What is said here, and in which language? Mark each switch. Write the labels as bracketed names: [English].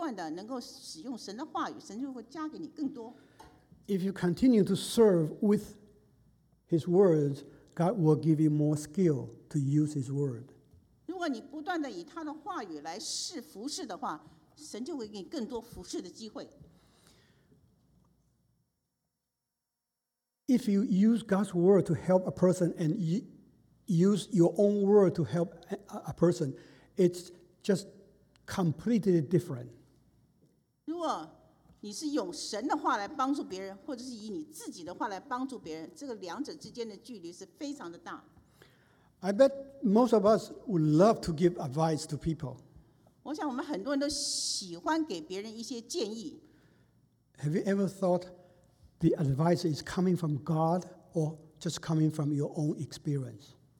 [Chinese] 如果你能够经常的、不断的能够使用神的话语， 神就会加给你更多。 [English] If you continue to serve with His words, God will give you more skill to use His word. [Chinese] 如果你不断的以他的话语来服侍的话， 神就会给你更多服侍的机会。 [English] If you use God's word to help a person and use your own word to help a person, it's just completely different. [Chinese] 如果你是用神的话来帮助别人，或者是以你自己的话来帮助别人， 这个两者之间的距离是非常的大。 [English] I bet most of us would love to give advice to people. [Chinese] 我想我们很多人都喜欢给别人一些建议。 [English] Have you ever thought the advice is coming from God or just coming from your own experience?